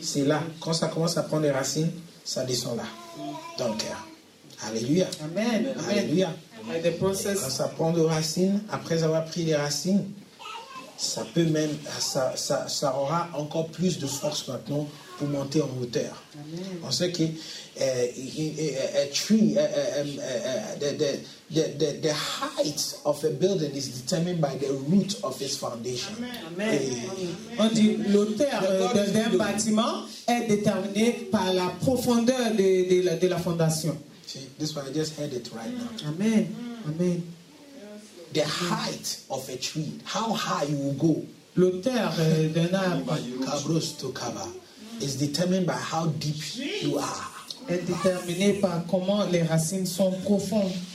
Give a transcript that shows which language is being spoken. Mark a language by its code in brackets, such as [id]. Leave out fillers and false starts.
[fr] C'est là, quand ça commence à prendre des racines, ça descend là, dans le cœur. Alléluia. Amen. Alléluia. Amen. Process... Quand ça prend des racines, après avoir pris les racines, ça peut même, ça aura encore plus de force maintenant pour monter en hauteur. Amen. On sait que [en] the height of a building is determined by the root of its foundation. [fr] On dit l'auteur d'un bâtiment est déterminé par la profondeur de la fondation. [en] See, this one I just heard it right now. Amen. Amen. The height of a tree, how high you will go. [fr] L'auteur d'un arbre, [en] cabros to cava, is determined by how deep you are. [fr] Est déterminé par comment les racines sont profondes.